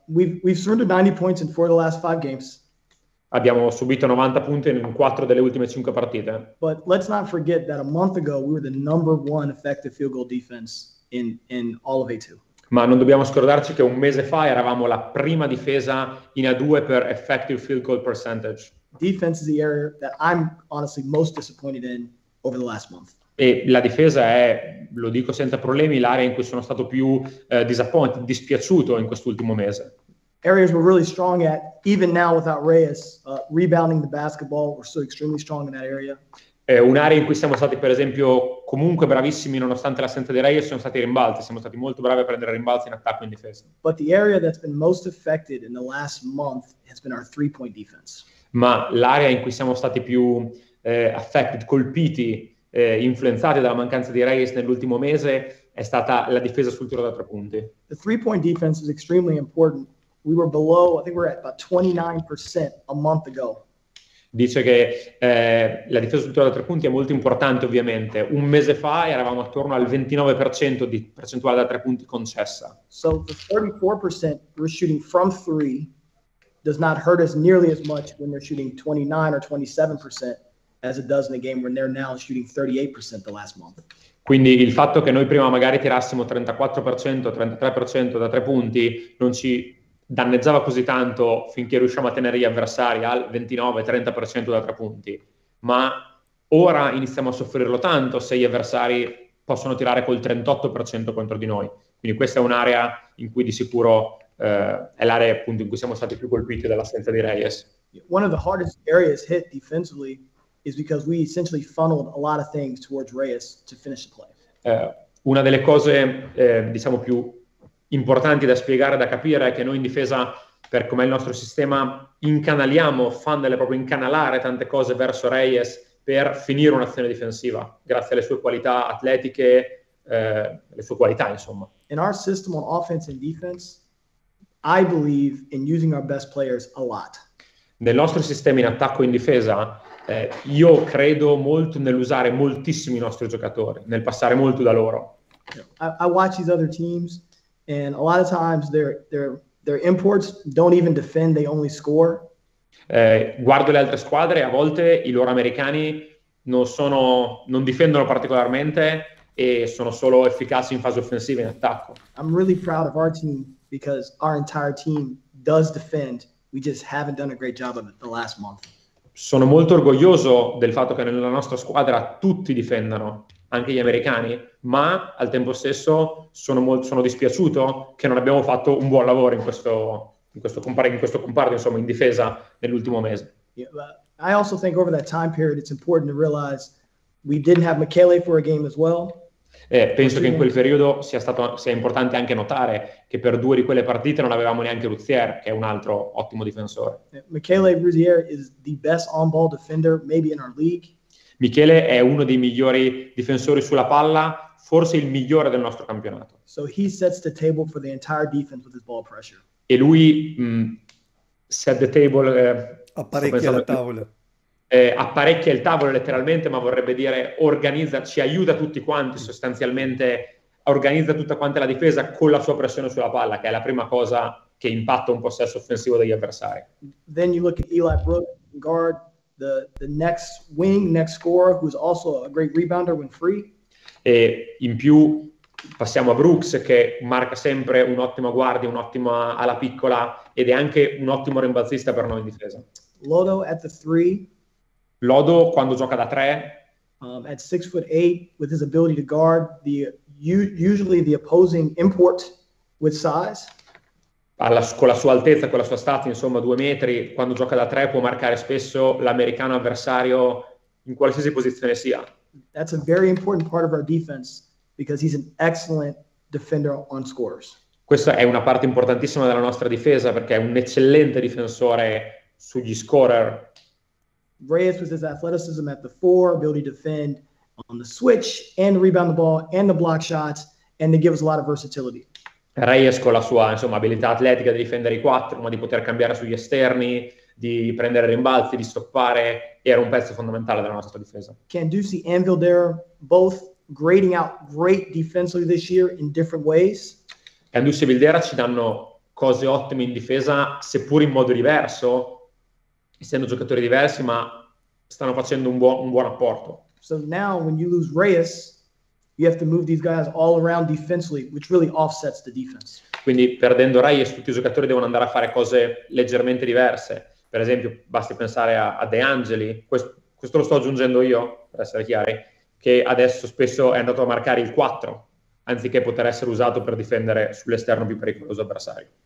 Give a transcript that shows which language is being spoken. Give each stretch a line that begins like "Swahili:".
English: We've surrendered 90 points in four of the last five games.
Italian: Abbiamo subito 90 punti in quattro delle ultime cinque partite.
English: But let's not forget that a month ago we were the number one effective field goal defense in all of A2.
Italian: Ma non dobbiamo scordarci che un mese fa eravamo la prima difesa in A2 per effective field goal percentage.
English: Defense is the area that I'm honestly most disappointed in over the last month.
Italian: E la difesa è, lo dico senza problemi, l'area in cui sono stato più
English: disappointed,
Italian: dispiaciuto in quest'ultimo mese.
English: Areas we're really strong at, even now without Reyes, rebounding the basketball, we're still extremely strong in that area.
Italian: È un'area in cui siamo stati, per esempio, comunque bravissimi nonostante l'assenza di Reyes, sono stati rimbalzi, siamo stati molto bravi a prendere rimbalzi in attacco e in difesa.
English: But the area that's been most affected in the last month has been our three-point defense.
Italian: Ma l'area in cui siamo stati più
English: affected,
Italian: colpiti, influenzati dalla mancanza di Reyes nell'ultimo mese è stata la difesa sul tiro da tre punti.
English: The three-point defense is extremely important. We were below, I think we were at about 29% a month ago.
Italian: Dice che la difesa sul tiro da tre punti è molto importante, ovviamente. Un mese fa eravamo attorno al 29% di percentuale da tre punti concessa.
English: So the 34% we're shooting from three does not hurt us nearly as much when they're shooting 29 or 27% as it does in a game when they're now shooting 38% the last month.
Italian: Quindi il fatto che noi prima magari tirassimo 34%, 33% da tre punti non ci danneggiava così tanto finché riusciamo a tenere gli avversari al 29-30% da tre punti. Ma ora iniziamo a soffrirlo tanto se gli avversari possono tirare col 38% contro di noi. Quindi questa è un'area in cui di sicuro è l'area appunto in cui siamo stati più colpiti dall'assenza di Reyes.
English: One of the hardest areas hit defensively is because we essentially funneled a lot of things towards Reyes to finish the play.
Italian: Una delle cose diciamo più importanti da spiegare, da capire, è che noi in difesa, per come il nostro sistema, incanaliamo,
English: funnel,
Italian: proprio incanalare tante cose verso Reyes per finire un'azione difensiva, grazie alle sue qualità atletiche, le sue qualità, insomma.
English: In our system on offense and defense, I believe in using our best players a lot.
Italian: Nel nostro sistema in attacco e in difesa, io credo molto nell'usare moltissimo i nostri giocatori, nel passare molto da loro.
English: I watch these other teams, and a lot of times their imports don't even defend, they only score.
Italian: Guardo le altre squadre, a volte i loro americani non difendono particolarmente e sono solo efficaci in fase offensiva, in attacco.
English: I'm really proud of our team because our entire team does defend. We just haven't done a great job of it the last month.
Italian: Sono molto orgoglioso del fatto che nella nostra squadra tutti difendano, anche gli americani, ma al tempo stesso sono dispiaciuto che non abbiamo fatto un buon lavoro in questo comparto, insomma, in difesa nell'ultimo mese.
English: Yeah, I also think over that time period it's important to realize we didn't have Michele for a game as well.
Italian: Penso che in quel periodo sia importante anche notare che per due di quelle partite non avevamo neanche Ruzier, che è un altro ottimo difensore.
English: Michele Ruzier is the best on-ball defender maybe in our league.
Italian: Michele è uno dei migliori difensori sulla palla, forse il migliore del nostro campionato.
English: So he sets the table for the entire defense with his ball pressure.
Italian: E lui
English: set the table
Italian: apparecchia la tavola. apparecchia il tavolo letteralmente, ma vorrebbe dire organizza, ci aiuta tutti quanti sostanzialmente, organizza tutta quanta la difesa con la sua pressione sulla palla, che è la prima cosa che impatta un possesso offensivo degli avversari.
English: Then you look at Eli Brooks, guard, the next wing, next scorer, who's also a great rebounder when free.
Italian: E in più passiamo a Brooks, che marca sempre un ottimo guardia, un ottimo alla piccola, ed è anche un ottimo rimbalzista per noi in difesa.
English: Lodo at the three.
Italian: Lodo quando gioca da tre.
English: At 6'8", with his ability to guard the usually the opposing import with size.
Italian: Con la sua altezza, con la sua stazza, insomma, due metri, quando gioca da tre può marcare spesso l'americano avversario in qualsiasi posizione sia.
English: That's a very important part of our defense because he's an excellent defender on scores.
Italian: Questa è una parte importantissima della nostra difesa perché è un eccellente difensore sugli scorer.
English: Reyes with his athleticism at the four, ability to defend on the switch and rebound the ball and the block shots, and it gives a lot of versatility.
Italian: Reyes con la sua, insomma, abilità atletica di difendere i quattro, ma di poter cambiare sugli esterni, di prendere rimbalzi, di stoppare, era un pezzo fondamentale della nostra difesa.
English: Candusi and Vildera both grading out great defensively this year in different ways.
Italian: Candusi e Vildera ci danno cose ottime in difesa, seppur in modo diverso, essendo giocatori diversi, ma stanno facendo un buon apporto.
English: So now when you lose Reyes, you have to move these guys all around defensively, which really offsets the defense.
Italian: Quindi perdendo Reyes, tutti i giocatori devono andare a fare cose leggermente diverse. Per esempio, basti pensare a De Angeli, questo lo sto aggiungendo io, per essere chiari, che adesso spesso è andato a marcare il 4, anziché poter essere usato per difendere sull'esterno più pericoloso avversario.